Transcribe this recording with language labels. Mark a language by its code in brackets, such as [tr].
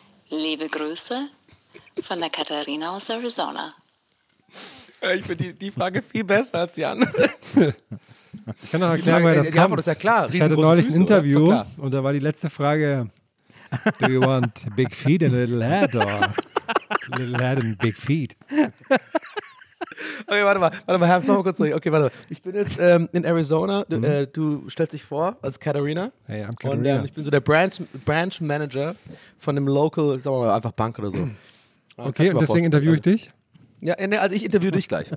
[de] Liebe Grüße von der Katharina aus Arizona. Ich finde die Frage viel besser als die andere. Ich kann noch erklären, weil das kam. Ist ja klar. Ich hatte neulich ein Interview und da war die letzte Frage: [en] Do you want big feet and a little head? Or little head and big feet? [de] Okay, warte mal, Herr, mach mal kurz zurück. Okay, warte mal. Ich bin jetzt in Arizona. Du stellst dich vor als Katharina. [en] Hey, I'm Katharina. [de] Und ich bin so der Branch Manager von einem Local, sagen wir mal, einfach Bank oder so. Okay, und deswegen interviewe ich dich? Ja, also ich interviewe dich gleich.